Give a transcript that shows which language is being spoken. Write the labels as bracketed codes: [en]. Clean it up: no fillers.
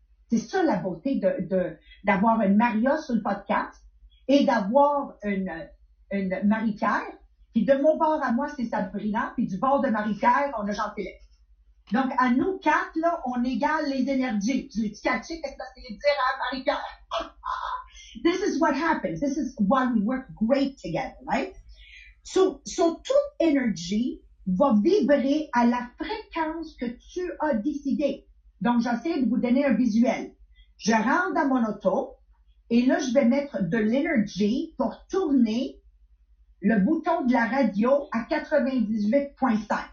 [fr] C'est ça la beauté d'avoir une Maria sur le podcast, et d'avoir une Marie-Pierre, puis de mon bord à moi, c'est Sabrina, puis du bord de Marie-Pierre, on a Jean-Philippe. Donc, à nous quatre, là, on égale les énergies. Tu l'as-tu catché, qu'est-ce que ça veut dire à Marie-Pierre? [en] This is what happens. This is why we work great together, right? [fr] So, toute énergie va vibrer à la fréquence que tu as décidée. Donc, j'essaie de vous donner un visuel. Je rentre dans mon auto, et là, je vais mettre de l'énergie pour tourner le bouton de la radio à 98.5.